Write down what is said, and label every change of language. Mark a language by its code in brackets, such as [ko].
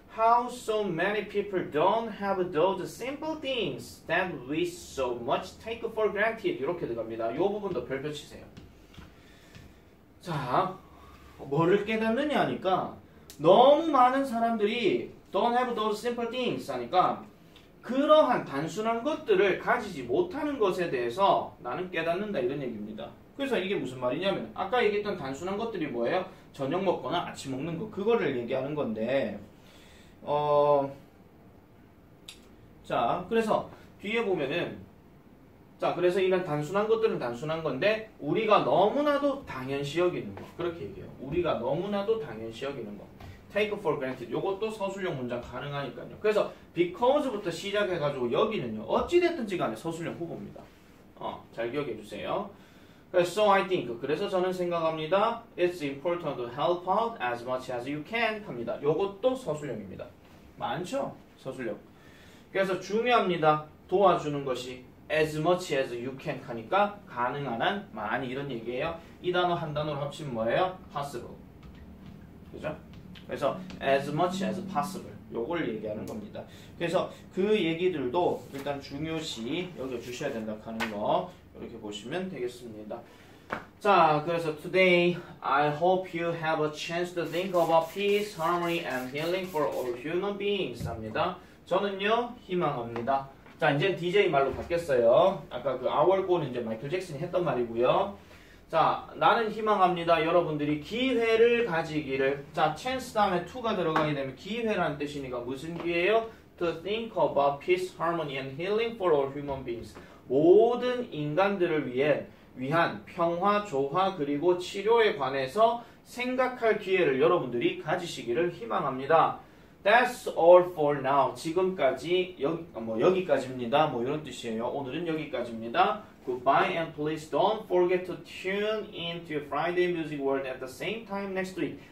[en] How so many people don't have those simple things that we so much take for granted. [ko] 이렇게 들어갑니다. 이 부분도 별표 치세요. 자, 뭐를 깨닫느냐 하니까 너무 많은 사람들이 [en] don't have those simple things [ko] 하니까 그러한 단순한 것들을 가지지 못하는 것에 대해서 나는 깨닫는다 이런 얘기입니다. 그래서 이게 무슨 말이냐면 아까 얘기했던 단순한 것들이 뭐예요? 저녁 먹거나 아침 먹는 거 그거를 얘기하는 건데 자 그래서 뒤에 보면은 자 그래서 이런 단순한 것들은 단순한 건데 우리가 너무나도 당연시 여기는 거 그렇게 얘기해요. 우리가 너무나도 당연시 여기는 거 [en] take for granted [ko] 요것도 서술형 문장 가능하니까요. 그래서 because부터 시작해가지고 여기는요 어찌됐든지 간에 서술형 후보입니다. 잘 기억해 주세요. [en] So I think, [ko] 그래서 저는 생각합니다. [en] It's important to help out as much as you can 합니다. [ko] 요것도 서술형입니다. 많죠? 서술형. 그래서 중요합니다. 도와주는 것이 [en] as much as you can [ko] 하니까 가능한 한 많이 이런 얘기예요. 이 단어 한 단어로 합치면 뭐예요? [en] Possible. [ko] 그죠? 그래서 [en] as much as possible. [ko] 요걸 얘기하는 겁니다. 그래서 그 얘기들도 일단 중요시 여기 주셔야 된다 하는 거. 이렇게 보시면 되겠습니다. 자, 그래서 [en] today I hope you have a chance to think about peace, harmony, and healing for all human beings 합니다. [ko] 저는요 희망합니다. 자, 이제 DJ 말로 바뀌었어요. 아까 그 Our Goal은 이제 마이클 잭슨이 했던 말이고요. 자, 나는 희망합니다. 여러분들이 기회를 가지기를. 자, chance 다음에 to가 들어가게 되면 기회라는 뜻이니까 무슨 기회예요? [en] To think about peace, harmony, and healing for all human beings. [ko] 모든 인간들을 위한 평화, 조화, 그리고 치료에 관해서 생각할 기회를 여러분들이 가지시기를 희망합니다. [en] That's all for now. [ko] 지금까지, 여기까지입니다. 뭐 이런 뜻이에요. 오늘은 여기까지입니다. [en] Goodbye and please don't forget to tune in to Friday Music World at the same time next week.